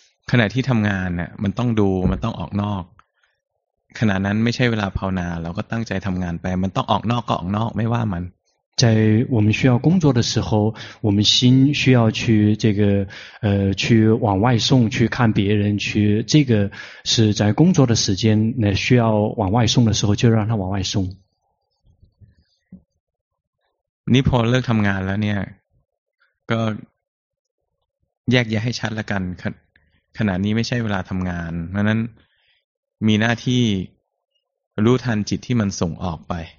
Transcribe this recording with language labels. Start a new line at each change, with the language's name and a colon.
Thai: ขณะที่ทำงานเนี่ยมันต้องดูมันต้องออกนอกขณะนั้นไม่ใช่เวลาภาวนาเราก็ตั้งใจทำงานไปมันต้องออกนอกก็ออกนอกไม่ว่ามัน
Chinese: 在我们需要工作的时候，我们心需要去这个去往外送，去看别人，去这个是在工作的时间，那需要往外送的时候，就让他往外送。
Thai: 你พอเลิกทำงานแล้วเนี่ยก็แยกแยะให้ชัดละกันขณะนี้ไม่ใช่เวลาทำงานเพราะนั้นมีหน้าที่รู้ทันจิตที่มันส่งออกไป